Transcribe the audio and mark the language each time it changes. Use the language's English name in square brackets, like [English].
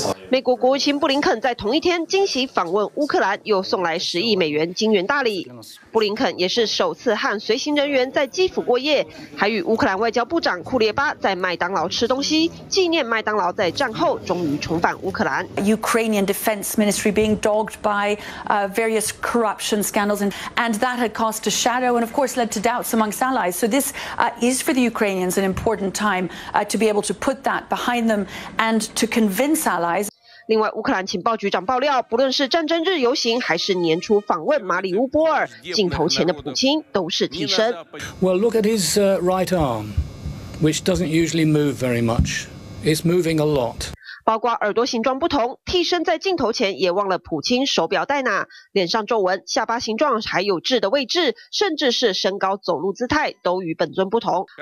[Chinese] 美国国务卿布林肯在同一天惊喜访问乌克兰，又送来10亿美元金援大礼。布林肯也是首次和随行人员在基辅过夜，还与乌克兰外交部长库列巴在麦当劳吃东西，纪念麦当劳在战后终于重返乌克兰。 [English] Ukrainian Defense Ministry being dogged by various corruption scandals, and that had cast a shadow and of course led to doubts amongst allies. So this is for the Ukrainians an important time to be able to put that behind them and to convince allies. [Chinese] 另外，乌克兰情报局长爆料，不论是战争日游行，还是年初访问马里乌波尔，镜头前的普京都是替身。 [English] Well, look at his right arm, which doesn't usually move very much. It's moving a lot. [Chinese] 包括耳朵形状不同，替身在镜头前也忘了普京手表戴哪，脸上皱纹、下巴形状，还有痣的位置，甚至是身高、走路姿态，都与本尊不同。